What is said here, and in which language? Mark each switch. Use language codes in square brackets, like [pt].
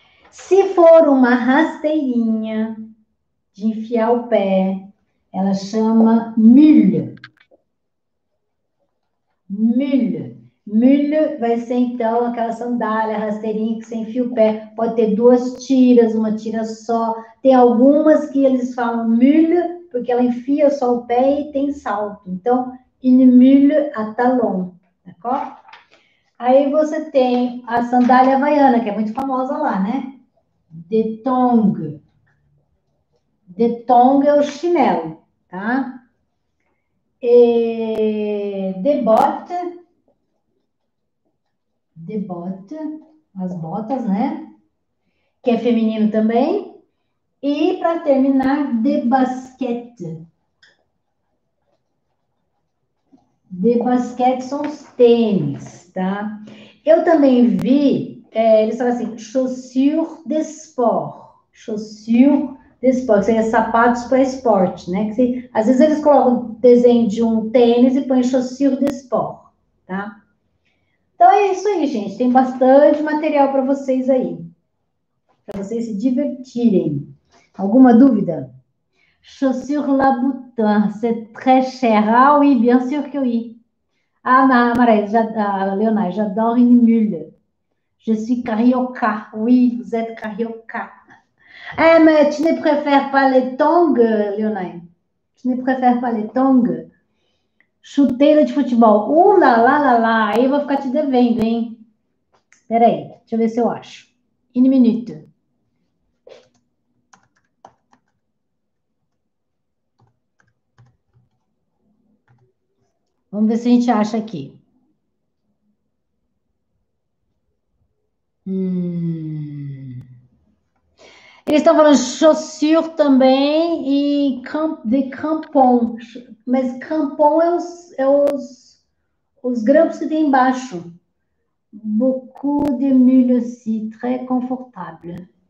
[pt] Se for uma rasteirinha de enfiar o pé, ela chama mule. Mule. Mule vai ser então aquela sandália rasteirinha que você enfia o pé. Pode ter duas tiras, uma tira só. Tem algumas que eles falam mule, porque ela enfia só o pé e tem salto. [fr] Então, une mule à talon, d'accord? [pt] Aí você tem a sandália havaiana, que é muito famosa lá, né? De tong. De tong é o chinelo, tá? E de bota. De bota, as botas, né? Que é feminino também. E para terminar, de basquete. De basquete são os tênis, tá? Eu também vi, eles falam assim, chaussures de sport. Chaussures Esporte, seria sapatos para esporte, né? Que se, às vezes eles colocam desenho de um tênis e põem chaussure de esporte, tá? Então é isso aí, gente. Tem bastante material para vocês aí, para vocês se divertirem. Alguma dúvida? [fr] Chaussure Labutin, c'est très cher. Ah, oui, bien sûr que oui. Ah, Maria, Leonardo, j'adore une mule. Je suis carioca. Oui, vous êtes carioca. Eh, mais tu ne préfères pas les tongs, Leonardo? Tu ne préfères pas les tongs? [pt] Chuteira de futebol. Lá, lá, lá, lá. Aí eu vou ficar te devendo, hein? Peraí, deixa eu ver se eu acho. In minuto. Vamos ver se a gente acha aqui. Eles estão falando chaussure também e de crampon. Mas crampon é os grampos que tem embaixo. [fr] Beaucoup de mule aussi, très confortable.